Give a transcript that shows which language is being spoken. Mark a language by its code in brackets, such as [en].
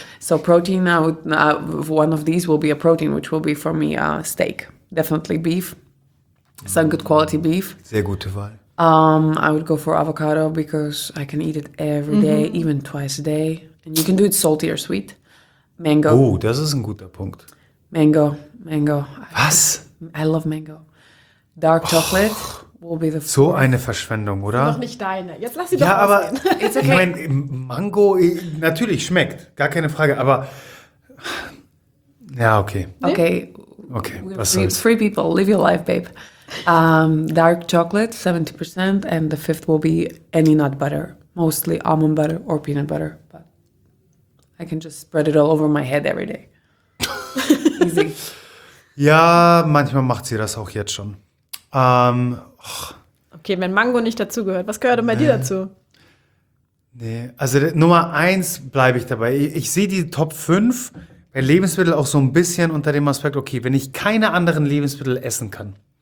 [en] So protein, one of these will be a protein, which will be for me a steak. Definitely beef, some good quality beef. [de] Sehr gute Wahl. [en] I would go for avocado because I can eat it every day, even twice a day. And you can do it salty or sweet. Mango. [de] Oh, das ist ein guter Punkt. [en] Mango. [de] Was? [en] I love mango. Dark chocolate will be the fourth. [de] So eine Verschwendung, oder? Noch nicht deine. Jetzt lass sie doch ausgehen. Ja, aber [en] it's okay. [de] Ich meine, Mango, natürlich schmeckt, gar keine Frage, aber ja, okay. Okay. Okay, was soll's. [en] Free people, live your life, babe. Dark chocolate, 70%, and the fifth will be any nut butter, mostly almond butter or peanut butter, but I can just spread it all over my head every day. Easy. [de] Ja, manchmal macht sie das auch jetzt schon. Okay, wenn Mango nicht dazugehört, was gehört denn bei dir dazu? Nee, also Nummer eins bleibe ich dabei. Ich sehe die Top 5 bei Lebensmitteln auch so ein bisschen unter dem Aspekt, okay, wenn ich keine anderen Lebensmittel essen kann.